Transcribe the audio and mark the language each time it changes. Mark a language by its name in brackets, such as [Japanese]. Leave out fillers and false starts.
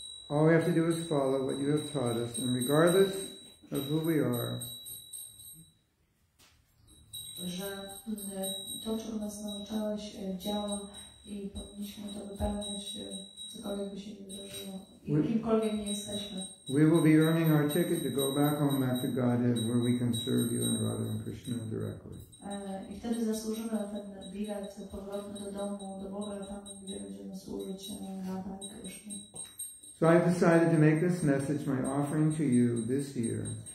[English] All we have to do is follow what you have taught us, and regardless of who we are, we will be earning our ticket to go back home, back to Godhead, where we can serve you and Radha and Krishna directly. [Polish] I wtedy zasłużymy ten bilet powrotny do domu, do Boga, tam gdzie będziemy służyć na Pani Krishna. [English] So I decided to make this message my offering to you this year.